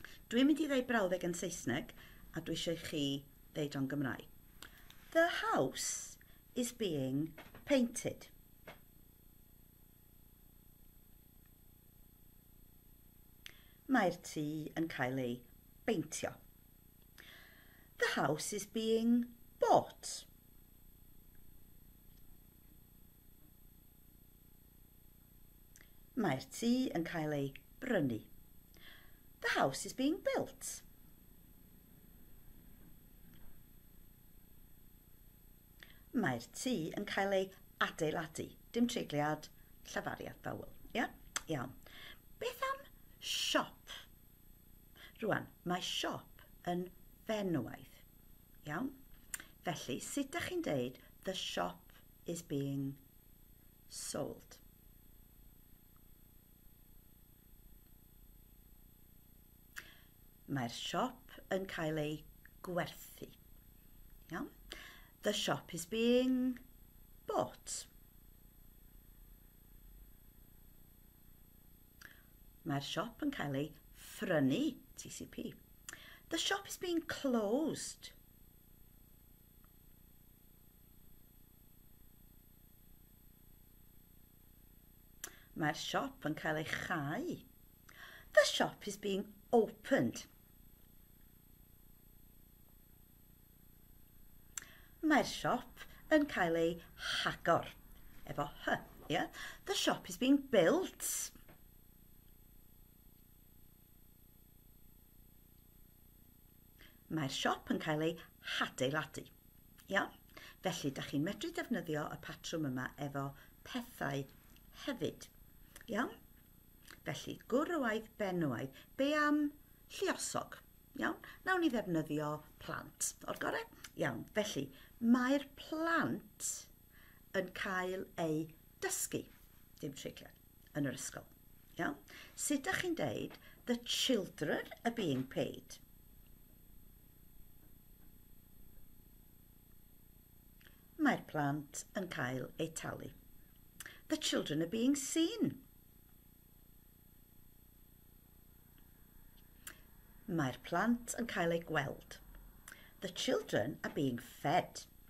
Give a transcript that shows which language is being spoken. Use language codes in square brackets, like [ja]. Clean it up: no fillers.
[cy] Dwi'n mynd i ddeud brawddeg yn Saesneg, a dwi eisiau chi ddeud o'n Gymraeg. [en] The house is being painted. [cy] Mae'r tŷ yn cael ei beintio. [en] The house is being bought. [cy] Mae'r tŷ yn cael ei brynu. [en] The house is being built. [cy] Mae'r tŷ yn cael ei adeiladu. Dim treigliad, llafariad fawl. Yeah? Iawn. Beth am siop? Rwan, mae siop yn fenywaidd. Iawn? Felly, sut ydych chi'n deud [en] the shop is being sold? [cy] Mae'r siop yn cael ei gwerthu. Iawn? [en] The shop is being bought. [cy] Mae'r siop yn cael ei phrynu, TCP. [en] The shop is being closed. [cy] Mae'r siop yn cael ei chau. [en] The shop is being opened. [cy] Mae'r siop yn cael ei hagor. Efo H, yeah? [en] The shop is being built. [cy] Mae'r siop yn cael ei hadeiladu. Yeah? Felly, dach chi'n medru defnyddio y patrwm yma efo pethau hefyd. Iawn? Felly, gwrwaidd, benywaidd, be am lluosog? Iawn? Nawn ni ddefnyddio plant. O'r gore? Iawn. Felly, mae'r plant yn cael ei dysgu. Dim treigliad. Yn yr ysgol. Iawn? Sut ydych chi'n deud, [en] the children are being paid? [cy] Mae'r plant yn cael ei talu. [en] The children are being seen. [cy] Mae'r plant yn cael ei gweld. [en] The children are being fed.